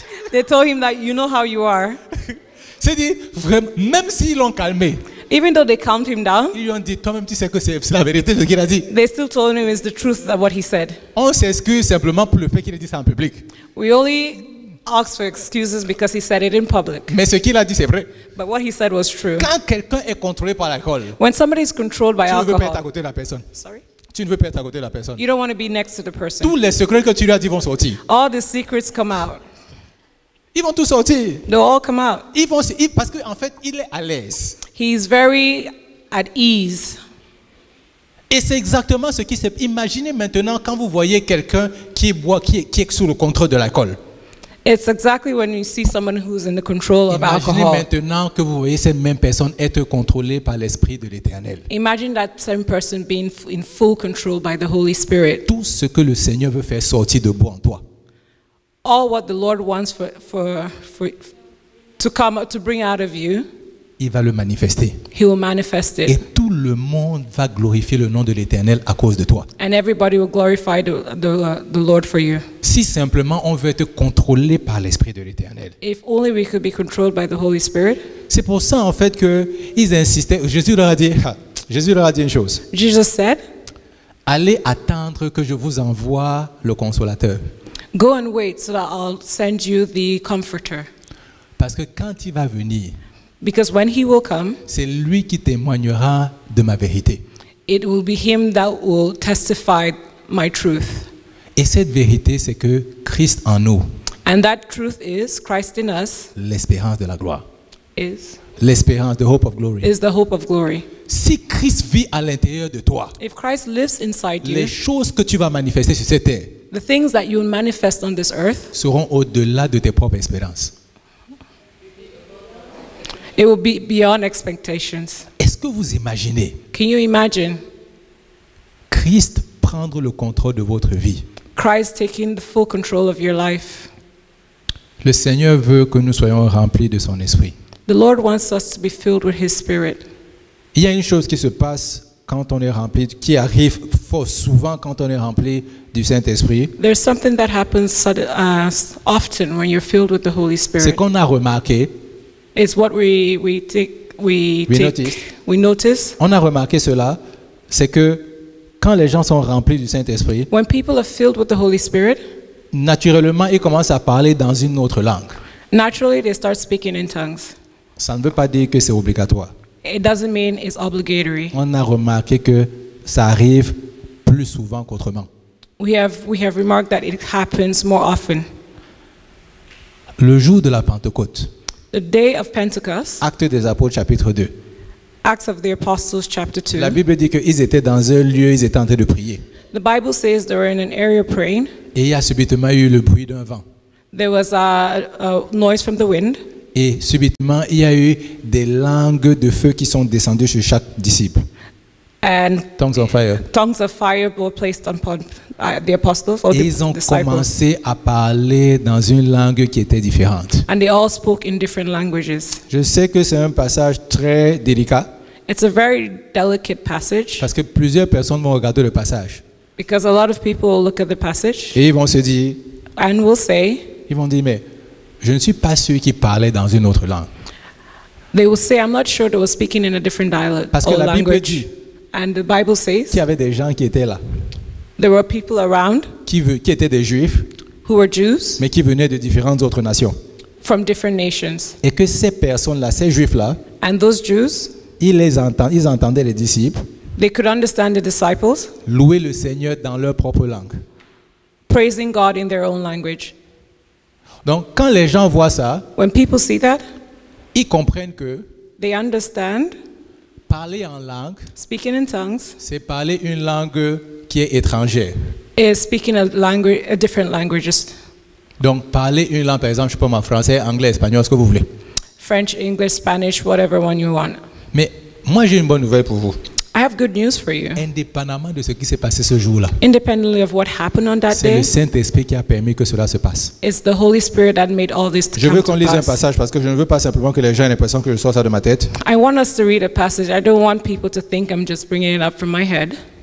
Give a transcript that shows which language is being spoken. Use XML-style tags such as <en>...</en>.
<en>They told him that you know how you are.</en> <fr>C'est dit vraiment, même s'ils l'ont calmé.</fr> <en>Even though they calmed him down,</en> <fr>ils lui ont dit, toi-même tu sais que c'est la vérité de ce qu'il a dit.</fr> <en>They still told him it's the truth of what he said.</en> <fr>On s'excuse simplement pour le fait qu'il ait dit ça en public.</fr> <en>We only ask for excuses because he said it in public.</en> <fr>Mais ce qu'il a dit c'est vrai.</fr> <en>But what he said was true.</en> <fr>Quand quelqu'un est contrôlé par l'alcool,</fr> <en>when somebody is controlled by alcohol,</en> <fr>tu ne veux pas être à côté de la personne.</fr> <en>Sorry?</en> <fr>Tu ne veux pas être à côté de la personne.</fr> <en>You don't want to be next to the person.</en> <fr>Tous les secrets que tu lui as dit vont sortir.</fr> <en>All the secrets come out.</en> <fr>Ils vont tous sortir.</fr> <en>They'll all come out.</en> <fr>Ils vont, parce qu'en fait, il est à l'aise.</fr> <en>He's very at ease.</en> <fr>Et c'est exactement ce qui s'est. Imaginez maintenant quand vous voyez quelqu'un qui boit, qui est sous le contrôle de l'alcool.</fr> <en>It's exactly when you see someone who's in the control of</en> <fr>imaginez Imaginez maintenant que vous voyez cette même personne être contrôlée par l'Esprit de l'Éternel.</fr> <en>Imagine that same person being in full control by the Holy Spirit.</en> <fr>Tout ce que le Seigneur veut faire sortir debout en toi.</fr> <en>All what the Lord wants for to come to bring out of you.</en> <fr>Il va le manifester.</fr> <en>He will manifest it.</en> <fr>Et tout le monde va glorifier le nom de l'Éternel à cause de toi.</fr> <en>And everybody will glorify the Lord for you.</en> <fr>Si simplement on veut être contrôlé par l'Esprit de l'Éternel.</fr> <en>If only we could be controlled by the Holy Spirit.</en> <fr>C'est pour ça en fait que ils insistaient. Jésus leur a dit une chose.</fr> <en>Jesus said,</en> <fr>allez attendre que je vous envoie le Consolateur.</fr> <en>Go and wait so that I'll send you the Comforter.</en> <fr>Parce que quand il va venir,</fr> <en>because when he will come,</en> <fr>c'est lui qui témoignera de ma vérité.</fr> <en>It will be him that will testify my truth.</en> <fr>Et cette vérité, c'est que Christ en nous.</fr> <en>And that truth is Christ in us.</en> <fr>L'espérance de la gloire.</fr> <en>Is.</en> <fr>L'espérance,</fr> <en>the hope of glory. Is the hope of glory.</en> <fr>Si Christ vit à l'intérieur de toi,</fr> <en>if Christ lives inside</en> <fr>les</fr> <en>you,</en> <fr>choses que tu vas manifester sur cette terre,</fr> <en>the things that you manifest on this earth,</en> <fr>seront au-delà de tes propres espérances.</fr> <en>It will be beyond expectations.</en> <fr>Est-ce que vous imaginez?</fr> <en>Can you imagine?</en> <fr>Christ prendre le contrôle de votre vie.</fr> <en>Christ taking the full control of your life.</en> <fr>Le Seigneur veut que nous soyons remplis de son esprit.</fr> <en>The Lord wants us to be filled with his spirit.</en> <fr>Il y a une chose qui se passe quand on est rempli, qui arrive fort souvent quand on est rempli du Saint-Esprit.</fr> <en>There's something that happens often when you're filled with the Holy Spirit.</en> <fr>C'est qu'on a remarqué.</fr> <en>It's what we notice.</en> <fr>On a remarqué cela, c'est que quand les gens sont remplis du Saint-Esprit,</fr> <en>when people are filled with the Holy Spirit,</en> <fr>naturellement ils commencent à parler dans une autre langue.</fr> <en>Naturally they start speaking in tongues.</en> <fr>Ça ne veut pas dire que c'est obligatoire.</fr> <en>It doesn't mean it's obligatory.</en> <fr>On a remarqué que ça arrive plus souvent qu'autrement.</fr> <en>We have remarked that it happens more often.</en> <fr>Le jour de la Pentecôte.</fr> <en>The day of Pentecost.</en> <fr>Actes des Apôtres chapitre 2.</fr> <en>Acts of the Apostles chapter 2.</en> <fr>La Bible dit qu'ils étaient dans un lieu, ils étaient en train de prier.</fr> <en>The Bible says they were in an area praying.</en> <fr>Et il y a subitement eu le bruit d'un vent.</fr> <en>There was a noise from the wind.</en> <fr>Et subitement, il y a eu des langues de feu qui sont descendues sur chaque disciple.</fr> <en>And tongues of fire. Tongues of fire were placed upon the apostles or</en> <fr>et</fr> <en>the</en> <fr>ils ont</fr> <en>disciples.</en> <fr>Commencé à parler dans une langue qui était différente.</fr> <en>And they all spoke in different languages.</en> <fr>Je sais que c'est un passage très délicat.</fr> <en>It's a very delicate passage.</en> <fr>Parce que plusieurs personnes vont regarder le passage.</fr> <en>Because a lot of people will look at the passage.</en> <fr>Et ils vont se dire.</fr> <en>And will say.</en> <fr>Ils vont dire mais. Je ne suis pas sûr qu'ils parlaient dans une autre langue.</fr> <en>They will say, I'm not sure they were speaking in a different dialect.</en> <fr>Parce que</fr> <en>or</en> <fr>la Bible</fr> <en>language.</en> <fr>Dit.</fr> <en>And the Bible says.</en> <fr>Qu'il y avait des gens qui étaient là.</fr> <en>There were people around.</en> <fr>Qui étaient des Juifs.</fr> <en>Who were Jews.</en> <fr>Mais qui venaient de différentes autres nations.</fr> <en>From different nations.</en> <fr>Et que ces personnes-là, ces Juifs-là.</fr> <en>And those Jews.</en> <fr>Ils entendaient les disciples.</fr> <en>They could understand the disciples.</en> <fr>Louer le Seigneur dans leur propre langue.</fr> <en>Praising God in their own language.</en> <fr>Donc, quand les gens voient ça,</fr> <en>when people see that,</en> <fr>ils comprennent que</fr> <en>they understand,</en> <fr>parler en langue,</fr> <en>speaking in tongues,</en> <fr>c'est parler une langue qui est étrangère.</fr> <en>is speaking a different languages.</en> <fr>Donc parler une langue, par exemple, je peux parler français, anglais, espagnol, ce que vous voulez.</fr> <en>French, English, Spanish, whatever one you want.</en> <fr>Mais moi j'ai une bonne nouvelle pour vous.</fr> <en>I have good news for you.</en> <fr>Indépendamment de ce qui s'est passé ce jour-là.</fr> <en>Independently of what happened on that day.</en> <fr>C'est le Saint-Esprit qui a permis que cela se passe.</fr> <en>It's the Holy Spirit that made all this to happen.</en> <fr>Je veux qu'on lise un passage parce que je ne veux pas simplement que les gens aient l'impression que je sors ça de ma tête.</fr> <en>I want us to read a passage. I don't want people to think I'm just bringing it up from my head.</en>